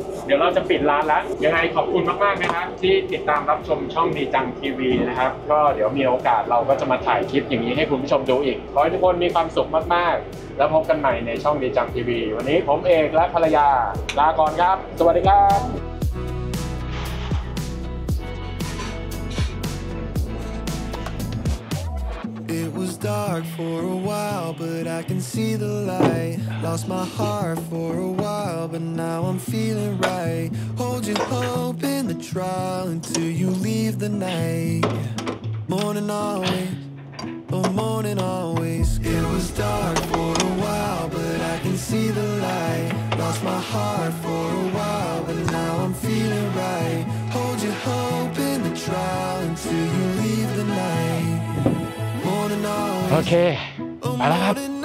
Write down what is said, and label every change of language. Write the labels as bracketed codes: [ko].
[th] เดี๋ยวเราจะปิดร้านแล้วยังไงขอบคุณมากๆนะครับที่ติดตามรับชมช่องดีจังทีวีนะครับก็เดี๋ยวมีโอกาสเราก็จะมาถ่ายคลิปอย่างนี้ให้คุณผู้ชมดูอีกขอให้ทุกคนมีความสุขมากๆแล้วพบกันใหม่ในช่องดีจังทีวีวันนี้ผมเอกและภรรยาลาก่อนครับสวัสดีครับ [en] It was dark for a while, but I can see the light. Lost my heart for a while, but now I'm feeling right. Hold your hope in the trial until you leave the night. Morning always, oh morning always. It was dark for a while, but I can see the light. Lost my heart for a while, but now I'm feeling right. Hold your hope in the trial until you leave the night. [th] โอเคมาแล้วครับ